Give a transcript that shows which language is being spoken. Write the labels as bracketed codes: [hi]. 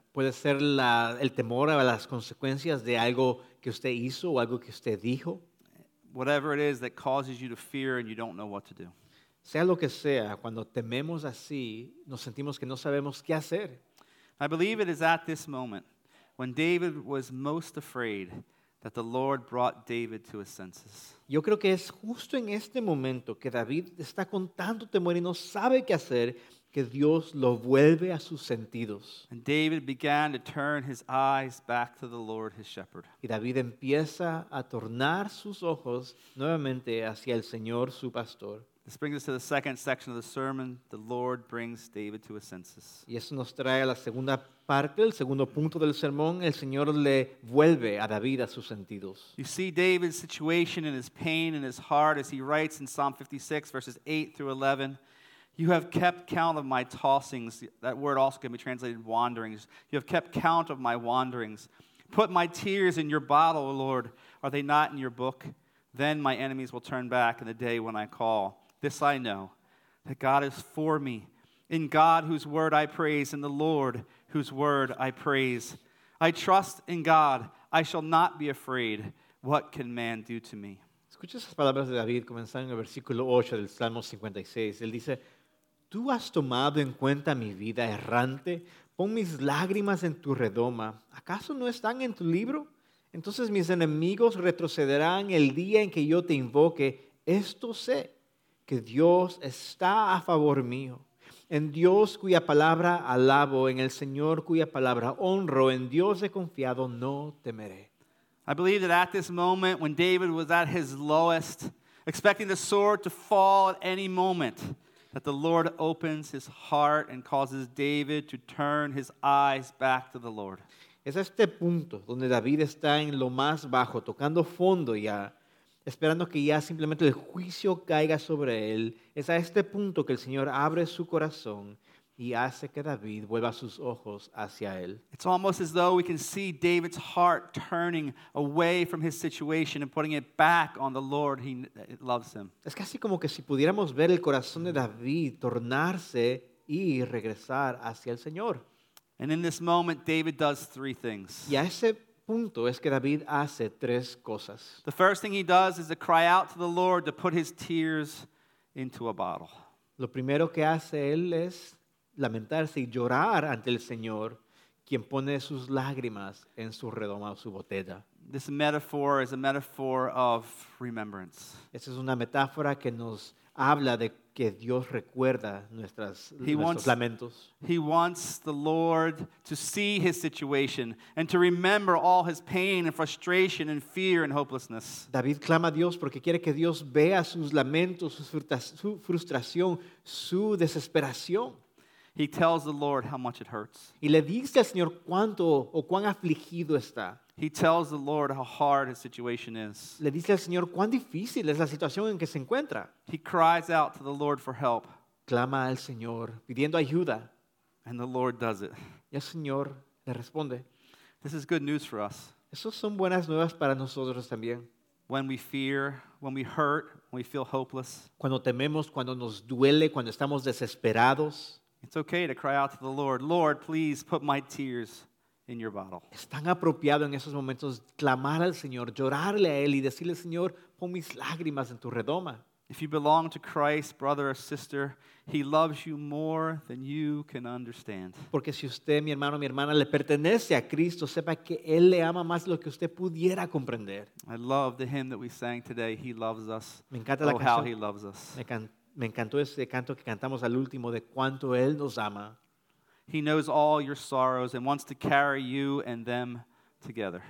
[es] Puede ser el temor a las consecuencias de algo que usted hizo o algo que usted dijo. [en] Whatever it is that causes you to fear and you don't know what to do. [es] Sea lo que sea, cuando tememos así, nos sentimos que no sabemos qué hacer. [en] I believe it is at this moment when David was most afraid that the Lord brought David to his senses. [es] Yo creo que es justo en este momento que David está con tanto temor y no sabe qué hacer, que Dios lo vuelve a sus sentidos. [en] And David began to turn his eyes back to the Lord, his shepherd. [es] Y David empieza a tornar sus ojos nuevamente hacia el Señor, su pastor. [en] This brings us to the second section of the sermon, the Lord brings David to his senses. [es] Y eso nos trae a la segunda parte, el segundo punto del sermón, el Señor le vuelve a David a sus sentidos. [en] You see David's situation and his pain and his heart as he writes in Psalm 56, verses 8 through 11, "You have kept count of my tossings," that word also can be translated wanderings, "you have kept count of my wanderings. Put my tears in your bottle, O Lord, are they not in your book? Then my enemies will turn back in the day when I call. This I know, that God is for me. In God whose word I praise, in the Lord whose word I praise. I trust in God. I shall not be afraid. What can man do to me?" [es] Escucha esas palabras de David comenzando en el versículo 8 del Salmo 56. Él dice, "Tú has tomado en cuenta mi vida errante. Pon mis lágrimas en tu redoma. ¿Acaso no están en tu libro? Entonces mis enemigos retrocederán el día en que yo te invoque. Esto sé, que Dios está a favor mío. En Dios cuya palabra alabo, en el Señor cuya palabra honro, en Dios he confiado, no temeré." [en] I believe that at this moment, when David was at his lowest, expecting the sword to fall at any moment, that the Lord opens his heart and causes David to turn his eyes back to the Lord. [es] Es a este punto donde David está en lo más bajo, tocando fondo ya, esperando que ya simplemente el juicio caiga sobre él. Es a este punto que el Señor abre su corazón y hace que David vuelva sus ojos hacia él. [en] It's almost as though we can see David's heart turning away from his situation and putting it back on the Lord. He loves him. [es] Es casi como que si pudiéramos ver el corazón de David tornarse y regresar hacia el Señor. [en] And in this moment, David does three things. [es] Y a ese punto es que David hace tres cosas. [en] The first thing he does is to cry out to the Lord to put his tears into a bottle. [es] Lo primero que hace él es lamentarse y llorar ante el Señor, quien pone sus lágrimas en su redoma o su botella. [en] This metaphor is a metaphor of remembrance. [es] Esa es una metáfora que nos habla de que Dios recuerda nuestros lamentos. [en] He wants the Lord to see his situation and to remember all his pain and frustration and fear and hopelessness. [es] David clama a Dios porque quiere que Dios vea sus lamentos, su frustración, su desesperación. [en] He tells the Lord how much it hurts. [es] Y le dice al Señor cuánto o cuán afligido está. [en] He tells the Lord how hard his situation is. [es] Le dice al Señor cuán difícil es la situación en que se encuentra. [en] He cries out to the Lord for help. [es] Clama al Señor pidiendo ayuda. [en] And the Lord does it. [es] Y el Señor le responde. [en] This is good news for us. [es] Esos son buenas nuevas para nosotros también. [en] When we fear, when we hurt, when we feel hopeless. [es] Cuando tememos, cuando nos duele, cuando estamos desesperados. [en] It's okay to cry out to the Lord. Lord, please put my tears in your bottle. [es] Es tan apropiado en esos momentos clamar al Señor, llorarle a él y decirle, Señor, pon mis lágrimas en tu redoma. [en] If you belong to Christ, brother or sister, he loves you more than you can understand. [es] Porque si usted, mi hermano, mi hermana, le pertenece a Cristo, sepa que él le ama más de lo que usted pudiera comprender. [en] I love the hymn that we sang today. He loves us. [es] Me encanta la [en] canción. Oh, how he loves us. [es] Me encantó ese canto que cantamos al último de cuánto Él nos ama. [en] He knows all your sorrows and wants to carry you and them together.